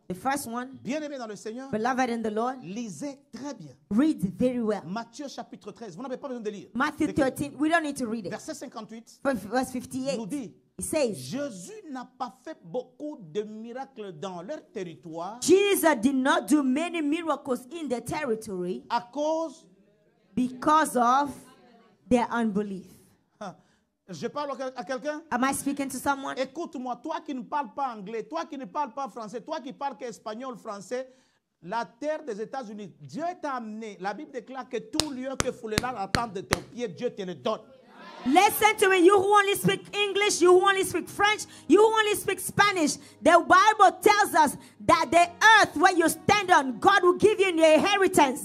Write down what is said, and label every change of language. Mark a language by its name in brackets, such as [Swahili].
[English] The first one. [French] Bien-aimé dans le Seigneur. [English] Beloved in the Lord. [French] Lisez très bien. [English] Read very well. [French] Matthieu chapitre 13. Vous n'avez pas besoin de lire. [English] Matthew 13. We don't need to read it. [French] Verset 58. [English] Verse 58. [French] Nous dit. [English] He says, [French] Jésus n'a pas fait beaucoup de miracles dans leur territoire. [English] Jesus did not do many miracles in the territory. [French] À cause, [English] because of their unbelief. [French] Je parle à quelqu'un? [English] Am I speaking to someone? [French] Écoute-moi, toi qui ne parles pas anglais, toi qui ne parles pas français, toi qui parles qu'espagnol, français. La terre des États-Unis, Dieu t'a amené. La Bible déclare que tout lieu que foulera la plante de ton pied, Dieu te le donne. [English] Listen to me, you who only speak English, you who only speak French, you who only speak Spanish. The Bible tells us that the earth where you stand on, God will give you an inheritance.